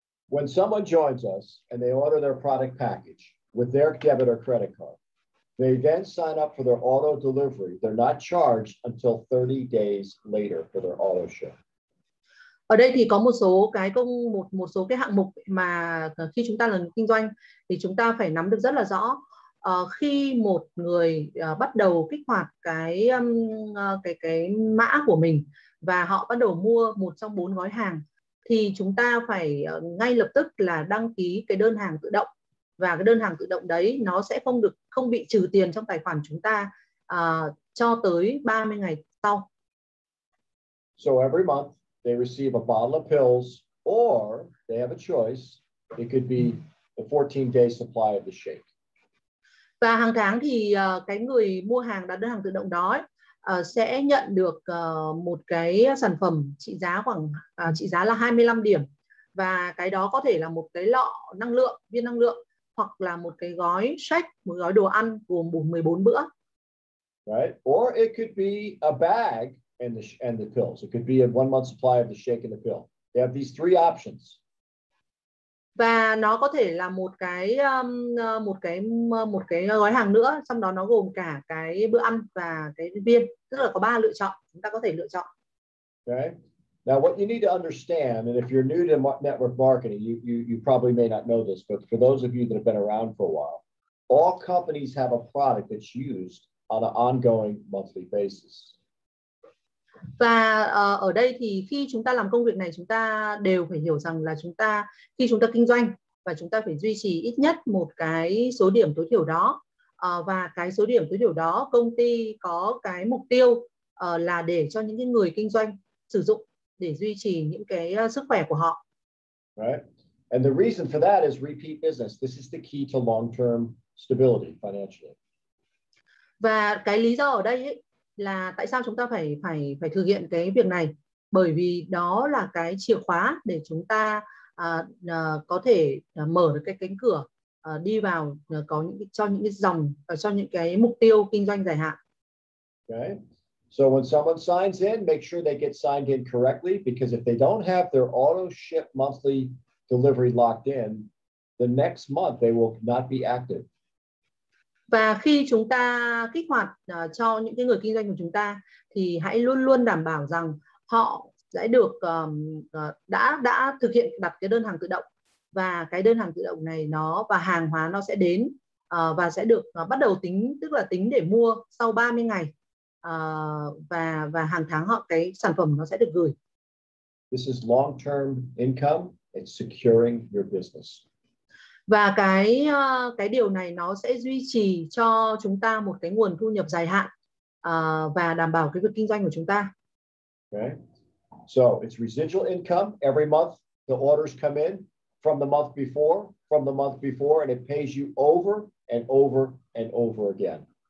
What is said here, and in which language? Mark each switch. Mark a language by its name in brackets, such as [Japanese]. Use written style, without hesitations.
[English] When someone joins us and they order their product package with their debit or credit card, they then sign up for their auto delivery. They're not charged until 30 days later for their auto ship. [Vietnamese] Ở đây thì có một số cái hạng mục mà khi chúng ta là kinh doanh thì chúng ta phải nắm được rất là rõ. Khi một người bắt đầu kích hoạt cái mã của mình và họ bắt đầu mua một trong bốn gói hàng thì chúng ta phải ngay lập tức là đăng ký cái đơn hàng tự động, và cái đơn hàng tự động đấy nó sẽ không bị trừ tiền trong tài khoản chúng ta cho tới 30 ngày sau. [English] So every month they receive a bottle of pills, or they have a choice. It could be the 14-day supply of the shake. [Vietnamese] Và hàng tháng thì cái người mua hàng đặt đơn hàng tự động đó sẽ nhận được một cái sản phẩm trị giá khoảng trị giá là 25 điểm. Và cái đó có thể là một cái lọ năng lượng, viên năng lượng, hoặc là một cái gói shake, một gói đồ ăn gồm 14 bữa. [English] Right, or it could be a bag and the pills. It could be a 1 month supply of the shake and the pill. They have these three options. [Vietnamese] Và nó có thể là một cái gói hàng nữa, trong đó nó gồm cả cái bữa ăn và cái viên, tức là có ba lựa chọn, chúng ta có thể lựa chọn. [English] Okay. Now what you need to understand, and if you're new to network marketing, you probably may not know this, but for those of you that have been around for a while, all companies have a product that's used on an ongoing monthly basis. [Vietnamese] Và ở đây thì khi chúng ta làm công việc này, chúng ta đều phải hiểu rằng là chúng ta khi chúng ta kinh doanh và chúng ta phải duy trì ít nhất một cái số điểm tối thiểu đó, và cái số điểm tối thiểu đó công ty có cái mục tiêu là để cho những người kinh doanh sử dụng để duy trì những cái sức khỏe của họ. [English] Right. And the reason for that is repeat business. This is the key to long-term stability financially. [Vietnamese] Và cái lý do ở đây ấy là tại sao chúng ta phải thực hiện cái việc này, bởi vì đó là cái chìa khóa để chúng ta có thể mở được cái cánh cửa đi vào có những cho những cái dòng cho những cái mục tiêu kinh doanh dài hạn. [English] Okay. So when someone signs in, make sure they get signed in correctly, because if they don't have their auto ship monthly delivery locked in, the next month they will not be active. [Vietnamese] Và khi chúng ta kích hoạt cho những cái người kinh doanh của chúng ta thì hãy luôn luôn đảm bảo rằng họ sẽ được đã thực hiện đặt cái đơn hàng tự động, và cái đơn hàng tự động này nó và hàng hóa nó sẽ đến và sẽ được bắt đầu tính, tức là tính để mua sau 30 ngày và hàng tháng họ cái sản phẩm nó sẽ được gửi. [English] This is long term income. It's securing your business. [Vietnamese] Và cái điều này nó sẽ duy trì cho chúng ta một cái nguồn thu nhập dài hạn và đảm bảo cái việc kinh doanh của chúng ta. [English] Okay. So it's residual income. Every month the orders come in from the month before, and it pays you over and over and over again.